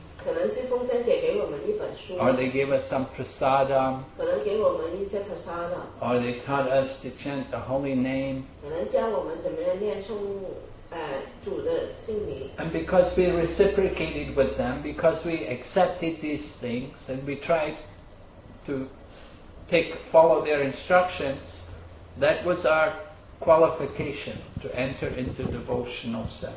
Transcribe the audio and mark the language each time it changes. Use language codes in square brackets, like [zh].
[zh] 可能是奉献者给我们一本书。Or [en] they gave us some prasadam. [zh] 可能给我们一些prasadam。Or [en] they taught us to chant the holy name. [zh] 可能教我们怎么样念诵主的姓名。 [en] And because we reciprocated with them, because we accepted these things and we tried to follow their instructions, that was our qualification to enter into devotional